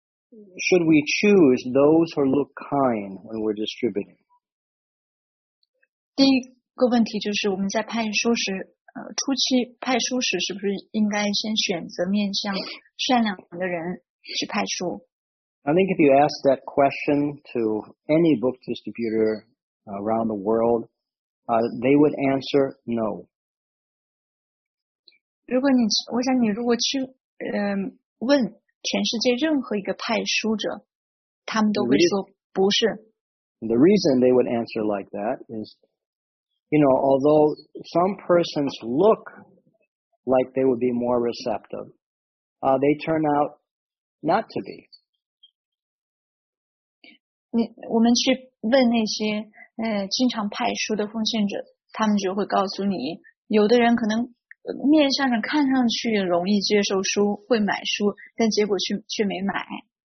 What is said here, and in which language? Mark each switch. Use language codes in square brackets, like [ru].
[en] Should we choose those who look kind when we're distributing? [zh] 第一个问题就是我们在派书时初期派书时是不是应该先选择面向善良的人去派书？ [en] I think if you ask that question to any book distributor around the world, they would answer no. [zh] 如果你，我想你如果去问全世界任何一个派书者，他们都会说不是。 [en] The reason they would answer like that is,You know, although some persons look like they would be more receptive, they turn out not to be. [zh] 我们去问那些经常派书的奉献者，他们就会告诉你，有的人可能面相上看上去容易接受书，会买书，但结果却没买。